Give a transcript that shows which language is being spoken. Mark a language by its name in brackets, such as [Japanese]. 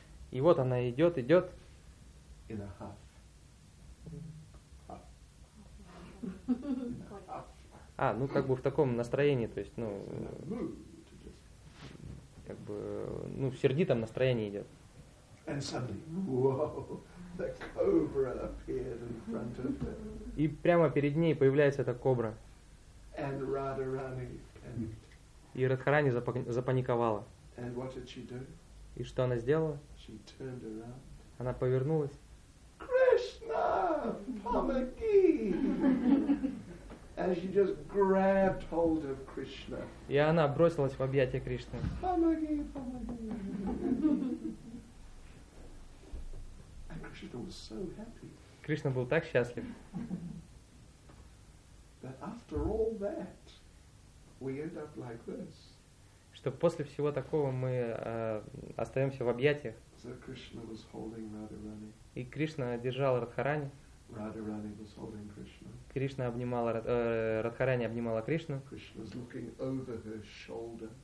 [Russian] И вот она идет, идет. [English] In a huff. [Russian] А, ну как бы в таком настроении, то есть, ну... Как бы, ну, в сердитом настроении идет. [English] And suddenly, whoa, the cobra appeared in front of her. [Russian] И прямо перед ней появляется эта кобра. [English] And Radharani panicked. [Russian] И Радхарани запаниковала. [English] And what did she do? [Russian] И что она сделала? [English] She turned around. [Russian] Она повернулась. [English] Krishna, [Russian] помоги! [English] And she just grabbed hold of Krishna. [Russian] И она бросилась в объятия Кришны. Помоги, помоги. [English] And Krishna was so happy. [Russian] Кришна был так счастлив. [English] That after all that, we end up like this. [Russian] Что после всего такого мы остаемся в объятиях. [English] So Krishna was holding Radharani. [Russian] И Кришна держал Радхарани. [English] Radharani was holding Krishna. [Russian] Кришна обнимала Радхарани обнимала Кришну. [English] Krishna was looking over her shoulder.